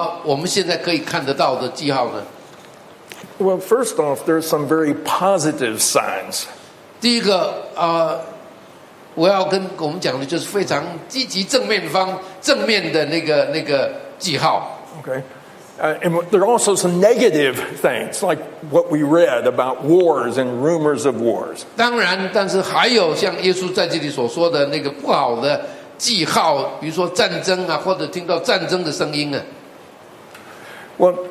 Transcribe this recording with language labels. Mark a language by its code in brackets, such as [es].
[zh] 我在这里要跟我们大家一起分享，就是耶稣很快来，可能很快来，有什么我们现在可以看得到的记号呢？ [en] Well, first off, there are some very positive signs. [zh] 第一个。我要跟我们讲的就是非常积极正面方正面的那个记号。 [en] Okay, and there are also some negative things like what we read about wars and rumors of wars. [zh] 当然，但是还有像耶稣在这里所说的那个不好的记号，比如说战争啊，或者听到战争的声音啊。Well,